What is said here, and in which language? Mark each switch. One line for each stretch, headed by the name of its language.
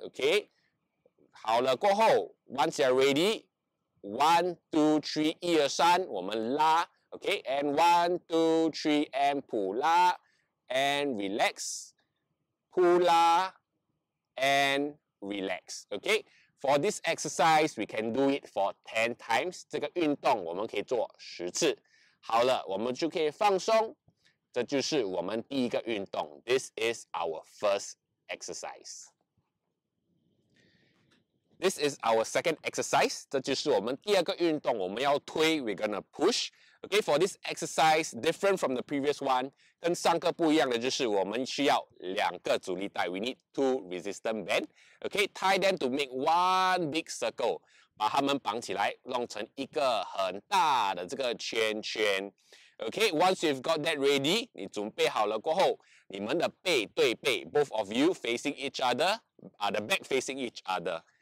English: OK，
Chinese: 好了过后，
English: once you're ready，one, two, three，
Chinese: 一二三，我们拉。
English: OK，and one, two, three, and 普拉，and relax，普拉，and relax. OK。 For this exercise, we can do it for 10 times.
Chinese: 这个运动我们可以做十次。好了，我们就可以放松。这就是我们第一个运动。
English: This is our first exercise. This is our second exercise.
Chinese: 这就是我们第二个运动。我们要推，
English: we're gonna push. Okay, for this exercise, different from the previous one,
Chinese: 跟上个不一样的就是我们需要两个阻力带。
English: We need two resistance band. Okay, tie them to make one big circle.
Chinese: 把它们绑起来，弄成一个很大的这个圈圈。
English: Okay, once you've got that ready,
Chinese: 你准备好了过后，你们的背对背，
English: both of you facing each other, the back facing each other.